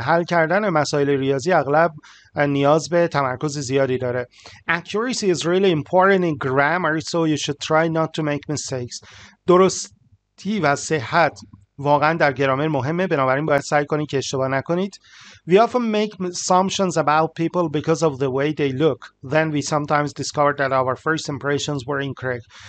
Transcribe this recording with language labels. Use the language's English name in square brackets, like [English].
[Persian] حل کردن مسائل ریاضی اغلب نیاز به تمرکز زیادی داره. [English] Accuracy is really important in grammar, so you should try not to make mistakes. [Persian] درستی و صحت واقعا در گرامر مهمه، بنابراین باید سعی کنید که اشتباه نکنید. [English] We often make assumptions about people because of the way they look. Then we sometimes discover that our first impressions were incorrect.